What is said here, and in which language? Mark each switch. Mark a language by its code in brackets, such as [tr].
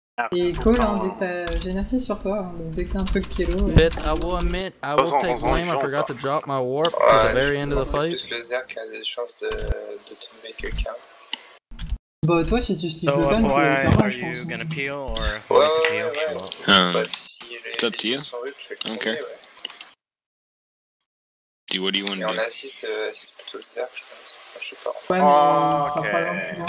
[fr] Et cool, hein, j'ai une assise sur toi, hein, donc dès que t'as un truc qui est low. [en] But I will admit, I will take blame, I forgot to drop my warp at the very end of the fight. [fr] Parce que le Zerk a des chances de te [en] make a count. [fr] Bah, toi, si tu [en] stick [fr] le gun, tu peux le faire, je pense. Ouais. [en] What do you want to do? [fr] Et on assiste plutôt le Zerk, je pense. Je sais pas. Ouais, mais on sera pas loin, tu vois.